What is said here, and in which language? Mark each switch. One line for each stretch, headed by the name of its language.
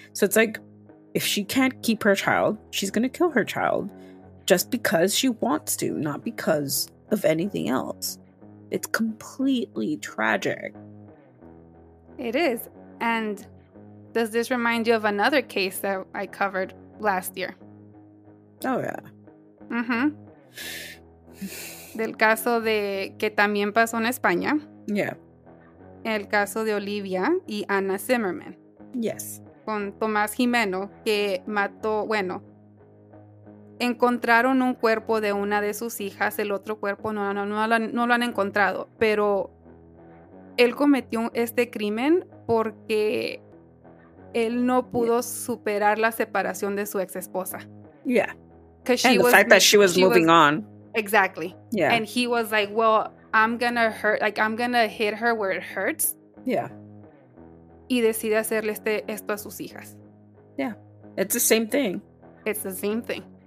English: So it's like, if she can't keep her child, she's going to kill her child just because she wants to, not because of anything else. It's completely tragic. It is. And does this remind you of another case that I covered last year? Oh, yeah. Mm-hmm.
Spanish: Del caso de que también pasó en España.
English: Yeah.
Spanish: El caso de Olivia y Ana Zimmerman.
English: Yes.
Spanish: Con Tomás Jimeno, que mató, bueno, encontraron un cuerpo de una de sus hijas, el otro cuerpo no lo han encontrado, pero él cometió este crimen porque él no pudo superar la separación de su ex esposa.
English: Yeah. Because the fact that she was moving on. Exactly. Yeah. And he was like, well, I'm gonna hit her where it hurts. Yeah.
Spanish: Y decide hacerle esto a sus hijas.
English: Yeah. It's the same thing. It's the same thing.